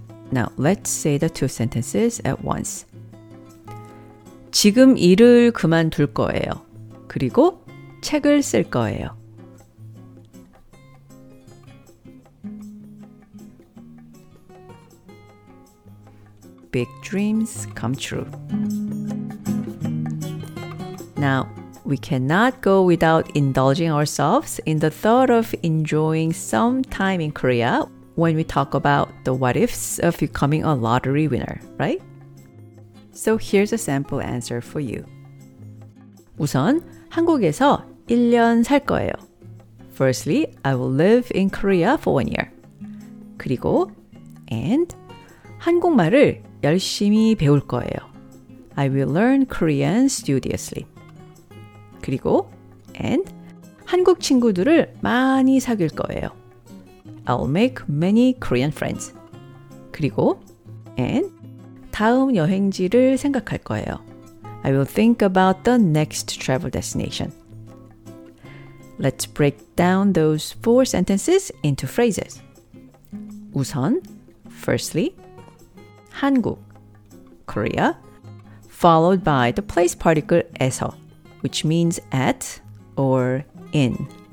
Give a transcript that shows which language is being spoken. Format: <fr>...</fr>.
<en>Now, let's say the two sentences at once.</en> <ko>지금 일을 그만둘 거예요. 그리고 책을 쓸 거예요.</ko> <en>Big dreams come true. Now, we cannot go without indulging ourselves in the thought of enjoying some time in Korea when we talk about the what-ifs of becoming a lottery winner, right? So here's a sample answer for you.</en> <ko>우선 한국에서 1년 살 거예요.</ko> <en>Firstly, I will live in Korea for 1 year.</en> <ko>그리고 and 한국말을 열심히 배울 거예요.</ko> <en>I will learn Korean studiously.</en> <ko>그리고 and 한국 친구들을 많이 사귈 거예요.</ko> <en>I'll make many Korean friends.</en> <ko>그리고 and 다음 여행지를 생각할 거예요.</ko> <en>I will think about the next travel destination. Let's break down those four sentences into phrases.</en> <ko>우선</ko> <en>firstly</en> <ko>한국</ko> <en>Korea followed by the place particle 에서 which means at or in.</en>